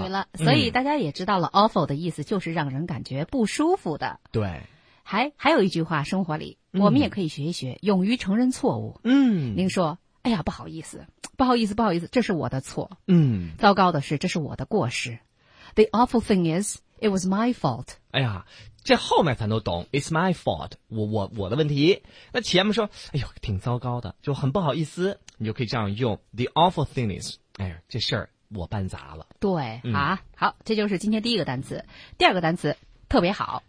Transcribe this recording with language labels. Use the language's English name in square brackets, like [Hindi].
[Chinese] 对了，所以大家也知道了、嗯、，awful 的意思就是让人感觉不舒服的。对。还有一句话，生活里我们也可以学一学、嗯、勇于承认错误。嗯，您说，哎呀，不好意思，这是我的错。嗯，糟糕的是，这是我的过失。 [English] The awful thing is, it was my fault. [Chinese] 哎呀，这后面咱都懂， [English] It's my fault, [Chinese] 我的问题。那前面说，哎呦，挺糟糕的，就很不好意思，你就可以这样用 [English] The awful thing is, [Chinese] 哎呀，这事儿我办砸了。对、嗯、啊，好，这就是今天第一个单词。第二个单词，特别好，